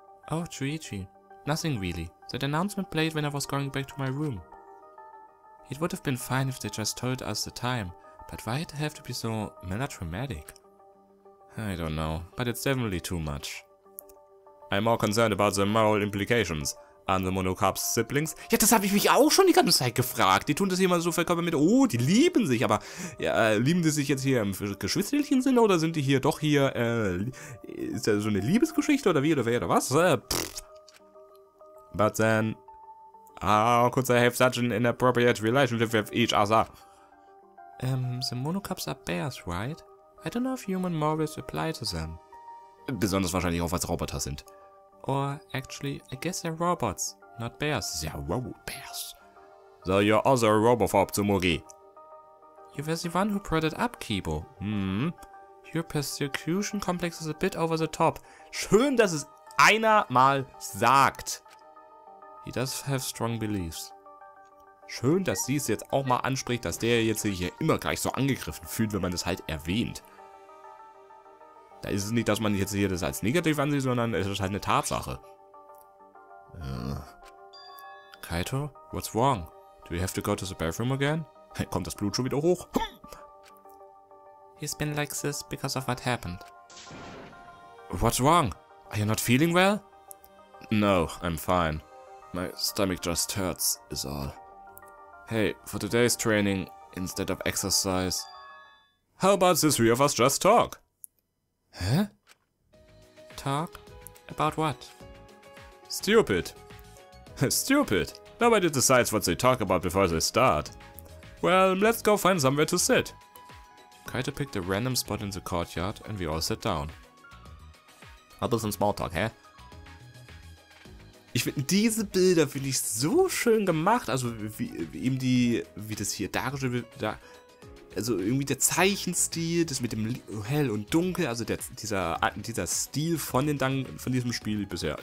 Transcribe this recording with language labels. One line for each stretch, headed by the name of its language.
English: Oh, Chuichi. Nothing really. That announcement played when I was going back to my room. It would have been fine if they just told us the time, but why it have to be so melodramatic? I don't know, but it's definitely too much. I'm more concerned about the moral implications. Are the Monocarp's siblings?
German: Ja, das habe ich mich auch schon die ganze Zeit gefragt. Die tun das hier immer so verkommen mit, oh, die lieben sich, aber ja, lieben die sich jetzt hier im geschwisterlichen Sinne oder sind die hier doch hier, ist das so eine Liebesgeschichte oder wie oder wer oder was?
English: But then, how could they have such an inappropriate relationship with each other? The Monocarps are bears, right? I don't know if human morals apply to them.
German: Besonders wahrscheinlich auch, weil sie Roboter sind.
English: Or, actually, I guess they're robots, not bears. They're robo-bears. So you're also a robophob, Tsumugi. You were the one who brought it up, Kibo. Your persecution complex is a bit over the top.
German: Schön, dass es einer mal sagt.
English: He does have strong beliefs.
German: Schön, dass sie es jetzt auch mal anspricht, dass der jetzt sich hier immer gleich so angegriffen fühlt, wenn man das halt erwähnt. Da ist es nicht, dass man jetzt hier das als negativ ansieht, sondern es ist halt eine Tatsache.
English: Kaito, what's wrong? Do we have to go to the bathroom again?
German: Kommt das Blut schon wieder hoch?
English: He's been like this because of what happened. What's wrong? Are you not feeling well? No, I'm fine. My stomach just hurts, is all. Hey, for today's training, instead of exercise, how about the three of us just talk? Huh? Talk? About what? Stupid. Stupid. Nobody decides what they talk about before they start. Well, let's go find somewhere to sit. Kaito picked a random spot in the courtyard and we all sat down. Mal some small talk, hä?
German: Ich finde diese Bilder finde ich so schön gemacht, also wie eben die, wie das hier dargestellt wird, da, also irgendwie der Zeichenstil, das mit dem hell und dunkel, also der, dieser Stil von den Dungeon, von diesem Spiel bisher.